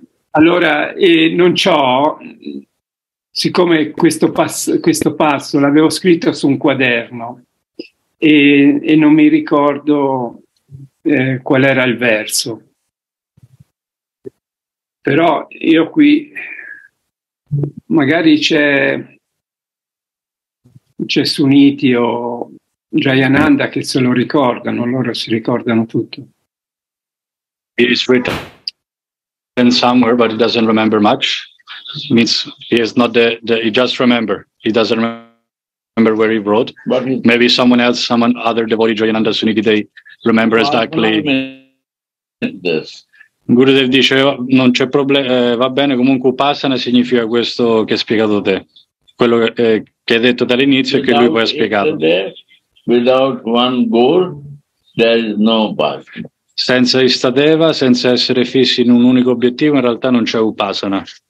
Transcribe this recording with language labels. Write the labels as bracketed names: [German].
[Italian] Allora, non c'ho, siccome questo passo l'avevo scritto su un quaderno e non mi ricordo qual era il verso. Però io qui, magari c'è Suniti o Jayananda che se lo ricordano, loro si ricordano tutto. [English] is written in somewhere, but he doesn't remember much. Means he is not the he just remember. He doesn't remember where he wrote. But he, maybe someone else, someone other devotee, Jayananda Suniti, they remember exactly. This. [Italian] Gurudev dice, non c'è problema, va bene, comunque Upasana significa questo che hai spiegato te. Quello che hai detto dall'inizio e che lui poi ha spiegato. [English] Without one goal, there is no path. [Italian] Senza Istadeva, senza essere fissi in un unico obiettivo, in realtà non c'è Upasana.